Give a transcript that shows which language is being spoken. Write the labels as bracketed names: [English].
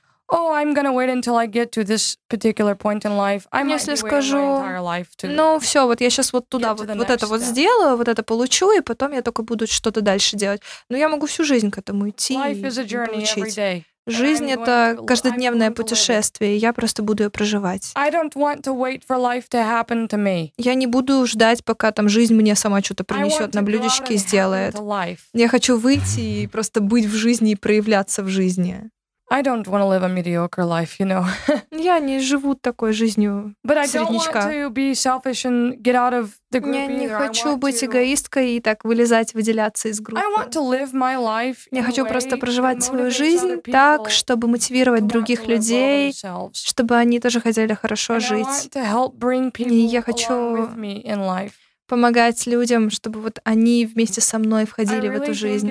[English] Oh, I'm going to wait until I get to this particular point in life. I might be waiting my entire life to. [Russian] Ну, всё, вот я сейчас вот туда вот, вот это вот сделаю, вот это получу, и потом я только буду что-то дальше делать. Но я могу всю жизнь к этому идти. [English] Life is a journey every day. [Russian] Жизнь — это каждодневное путешествие, и я просто буду ее проживать. Я не буду ждать, пока там жизнь мне сама что-то принесет на блюдечке и сделает. Я хочу выйти и просто быть в жизни и проявляться в жизни. [English] I don't want to live a mediocre life, you know. [Russian] Я не живу такой жизнью среднячка. [English] But I don't want to be selfish and get out of the group. [Russian] Я не хочу быть эгоисткой и так вылезать, выделяться из группы. [English] I want to live my life. [Russian] Я хочу просто проживать свою жизнь так, чтобы мотивировать других людей, чтобы они тоже хотели хорошо жить. И я хочу помогать людям, чтобы вот они вместе со мной входили в эту жизнь.